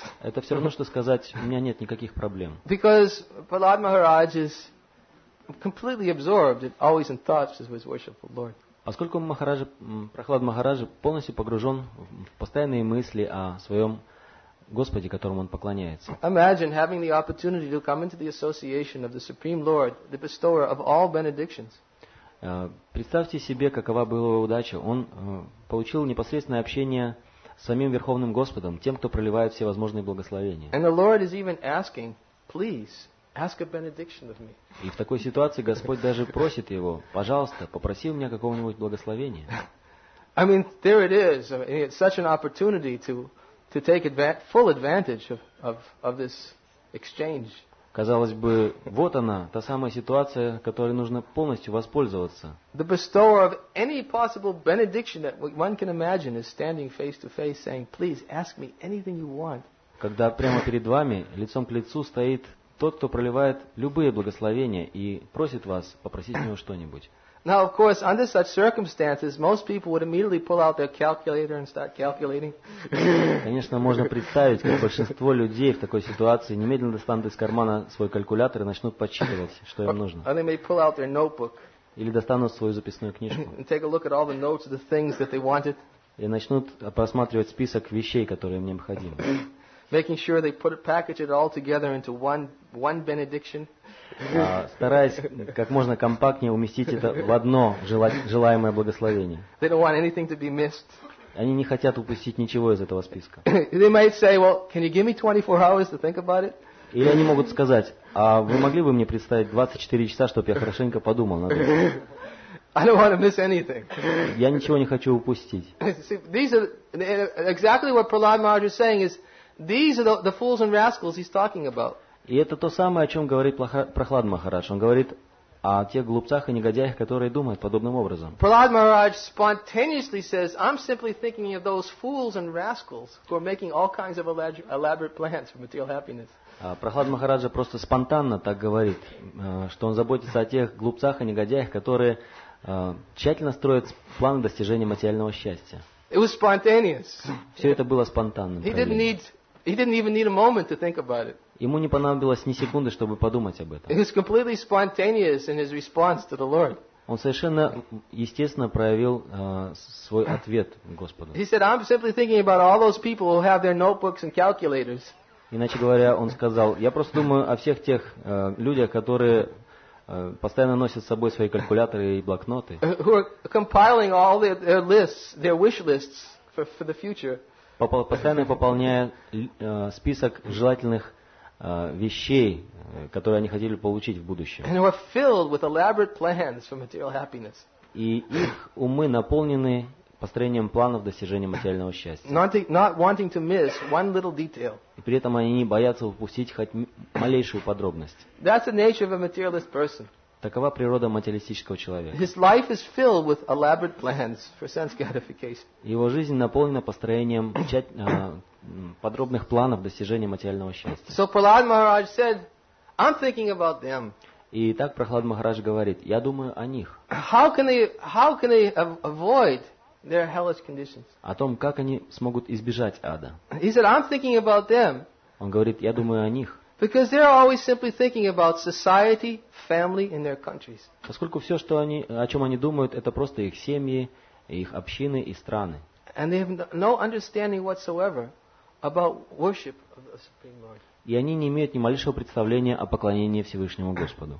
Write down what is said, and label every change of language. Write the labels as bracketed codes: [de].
[ru] Это все равно, что сказать, у меня нет никаких проблем. [en] Because Prahlad Maharaj is completely absorbed, always in thoughts of his worshipful Lord. [ru] Поскольку Прахлад Махарадж полностью погружен в постоянные мысли о своем Господе, которому он поклоняется. [en] Imagine having the opportunity to come into the association of the Supreme Lord, the bestower of all benedictions. [ru] Представьте себе, какова была его удача. Он получил непосредственное общение с самим Верховным Господом, тем, кто проливает все возможные благословения. [en] And the Lord is even asking, please, ask a benediction of me. [ru] И в такой ситуации Господь даже просит его, пожалуйста, попроси у меня какого-нибудь благословения. [en] I mean, there it is. I mean, it's such an opportunity to take full advantage of this exchange. [ru] Казалось бы, вот она, та самая ситуация, которой нужно полностью воспользоваться. [en] The bestower of any possible benediction that one can imagine is standing face to face saying, please ask me anything you want. [ru] Когда прямо перед вами, лицом к лицу, стоит тот, кто проливает любые благословения и просит вас попросить у него что-нибудь. [en] Now, of course, under such circumstances, most people would immediately pull out their calculator and start calculating. [ru] Конечно, можно представить, как большинство людей в такой ситуации немедленно достанут из кармана свой калькулятор и начнут подсчитывать, что им нужно. [en] Or they may pull out their notebook. [ru] Или достанут свою записную книжку. [en] And take a look at all the notes of the things that they wanted. [ru] И начнут просматривать список вещей, которые им необходимы. [en] Making sure they put it, package it all together into one benediction. [ru] Стараясь как можно компактнее уместить это в одно желаемое благословение. [en] They don't want anything to be missed. [ru] Они не хотят упустить ничего из этого списка. [en] They might say, well, can you give me 24 hours to think about it? [ru] Или они могут сказать, а вы могли бы мне представить 24 часа, чтобы я хорошенько подумал над этим? [en] I don't want to miss anything. [ru] Я ничего не хочу упустить. [en] See, these are exactly what Prahlad Maharaj is saying is, These are the fools and rascals he's talking about. [ru] И это то самое, о чем говорит Прохлад Махарадж. Он говорит о тех глупцах и негодяях, которые думают подобным образом. [en] Prahlad Maharaj spontaneously says, I'm simply thinking of those fools and rascals who are making all kinds of elaborate plans for material happiness. [ru] Прохлад Махараджа просто спонтанно так говорит, что он заботится о тех глупцах и негодяях, которые тщательно строят план достижения материального счастья. [en] It was spontaneous. [ru] Все это было спонтанным. [en] He didn't even need a moment to think about it. [ru] Ему не понадобилось ни секунды, чтобы подумать об этом. [en] It was completely spontaneous in his response to the Lord. [ru] Он совершенно естественно проявил свой ответ Господу. [en] He said, I'm simply thinking about all those people who have their notebooks and calculators. [ru] Иначе говоря, он сказал, я просто думаю о всех тех людях, которые постоянно носят с собой свои калькуляторы и блокноты. [en] Who are compiling all their lists, their wish lists for the future. [ru] Постоянно пополняя список желательных вещей, которые они хотели получить в будущем. [en] And were filled with elaborate plans for material happiness. [ru] И их умы наполнены построением планов достижения материального счастья. [en] Not wanting to miss one little detail. [ru] И при этом они не боятся упустить хоть малейшую подробность. [en] That's the nature of a materialist person. [ru] Такова природа материалистического человека. [en] His life is filled with elaborate plans for sense gratification. [ru] Его жизнь наполнена построением подробных планов достижения материального счастья. [en] So Prahlad Maharaj said, I'm thinking about them. [ru] И так Прохлад Махарадж говорит, я думаю о них. [en] How can they avoid their hellish conditions? [ru] О том, как они смогут избежать ада. [en] He said, I'm thinking about them. [ru] Он говорит, я думаю о них. [en] Because they're always simply thinking about society, family, and their countries. [ru] Поскольку все, что они, о чем они думают, это просто их семьи, их общины и страны. [en] And they have no understanding whatsoever about worship of the Supreme Lord. [ru] И они не имеют ни малейшего представления о поклонении Всевышнему Господу.